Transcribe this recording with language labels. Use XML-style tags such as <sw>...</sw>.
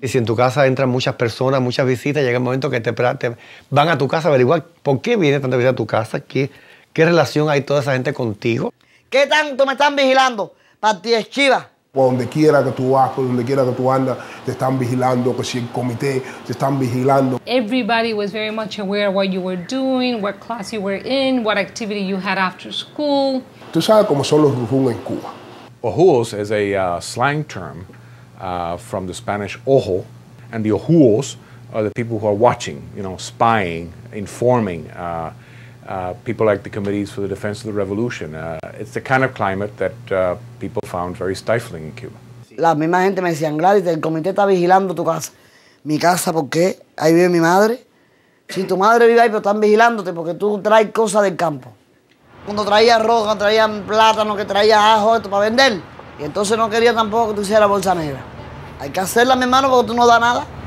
<es>Y si en tu casa entran muchas personas, muchas visitas, llega el momento que te van a tu casa a averiguar por qué viene tanta visita a tu casa, qué relación hay toda esa gente contigo. ¿Qué tanto me están vigilando? Partí de Chiva. Por donde quiera que tú vas, por donde quiera que tú andas, te están vigilando, que si el comité te están vigilando.</es> <en>Everybody was very much aware of what you were doing, what class you were in, what activity you had after school.</en> <es>Tú sabes cómo son los rujos en Cuba.</es> <en>Ojuos is a slang term from the Spanish ojo, and the ojuos are the people who are watching, you know, spying, informing, people like the committees for the defense of the revolution. It's the kind of climate that people found very stifling in Cuba.</en> <es>La misma gente me decía, Gladys, el comité está vigilando tu casa. Mi casa, ¿por qué? Ahí vive mi madre. Si tu madre vive ahí, pero están vigilándote porque tú traes cosas del campo. Cuando traía arroz, cuando traía plátano, que traía ajo, esto para vender. Y entonces no quería tampoco que tú hicieras bolsa negra. Hay que hacerla, mi hermano, porque tú no das nada.</es>